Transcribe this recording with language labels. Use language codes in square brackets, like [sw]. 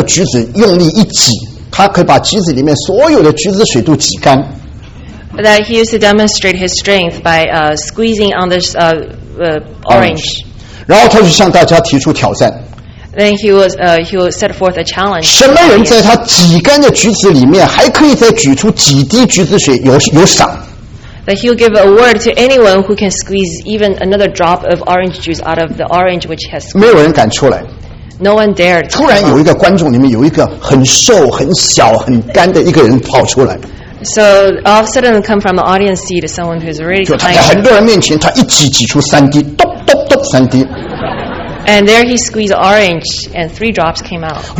[zh] 他常常表演在人的面前把那个橘子用力一挤。他可以把橘子里面所有的橘子水都挤干。 [en] That he used to demonstrate his strength by squeezing on this orange. [zh] 然后他就向大家提出挑战。 [en] Then he would set forth a challenge. [zh] 什么人在他挤干的橘子里面还可以再举出几滴橘子水有赏？ [en] That he would give a word to anyone who can squeeze even another drop of orange juice out of the orange which he has squeezed. [zh] 没有人敢出来。 [en] No one dared. [zh] 突然有一个观众里面有一个很瘦很小很干的一个人跑出来。 [en] So all of a sudden, come from the audience seat someone who's really tiny. [zh] 就他在很多人面前，他一挤挤出三滴，咚咚咚三滴。 [en] And there he squeezed orange, and 3 drops came out.